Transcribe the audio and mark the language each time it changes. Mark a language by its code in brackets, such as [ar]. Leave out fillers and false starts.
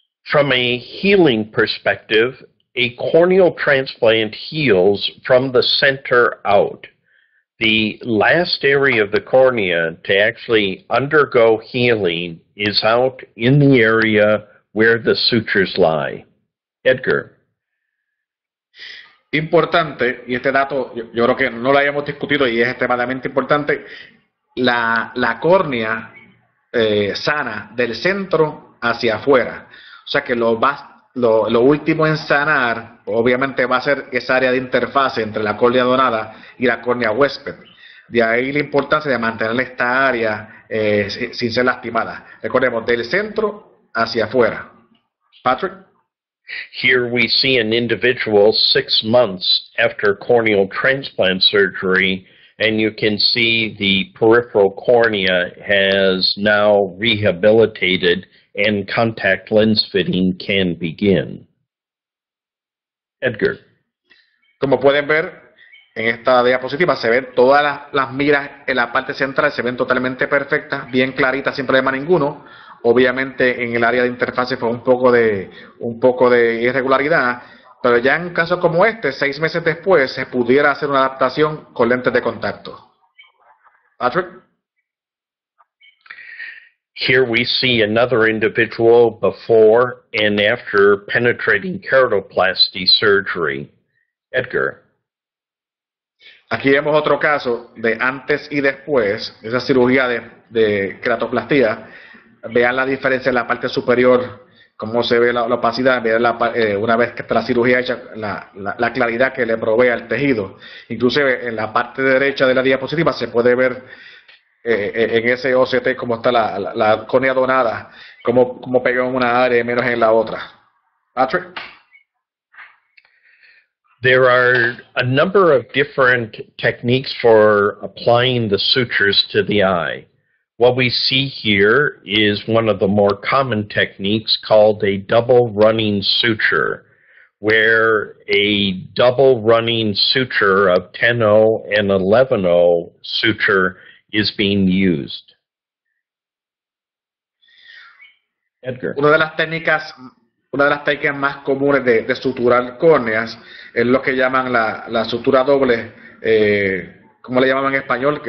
[en] From a healing perspective, a corneal transplant heals from the center out. The last area of the cornea to actually undergo healing is out in the area where the sutures lie. Edgar. [es] Importante, y este dato yo creo que no lo hayamos discutido y es extremadamente importante, la córnea sana del centro hacia afuera. O sea que lo último en sanar obviamente va a ser esa área de interfase entre la córnea donada y la córnea huésped. De ahí la importancia de mantener esta área sin ser lastimada. Recordemos, del centro hacia afuera. Patrick. [en] Here we see an individual 6 months after corneal transplant surgery, and you can see the peripheral cornea has now rehabilitated and contact lens fitting can begin. Edgar. [es] Como pueden ver en esta diapositiva, se ven todas las miras en la parte central, se ven totalmente perfectas, bien claritas, sin problema ninguno. Obviamente en el área de interfase fue un poco de irregularidad, Pero ya en casos como este, 6 meses después, se pudiera hacer una adaptación con lentes de contacto. Patrick. [en] Here we see another individual before and after penetrating keratoplasty surgery. Edgar. [es] Aquí vemos otro caso de antes y después, esa cirugía de keratoplastia. Vean la diferencia en la parte superior, cómo se ve la opacidad, vean una vez que está la cirugía hecha, la claridad que le provee al tejido. Incluso en la parte derecha de la diapositiva se puede ver en ese OCT cómo está la córnea donada, cómo pega en una área y menos en la otra. Patrick. [en] There are a number of different techniques for applying the sutures to the eye. What we see here is one of the more common techniques called a double running suture, where a double running suture of 10-0 and 11-0 suture is being used. Edgar. [es] Una de las técnicas más comunes de suturar córneas es lo que llaman la sutura doble, ¿cómo le llaman en español?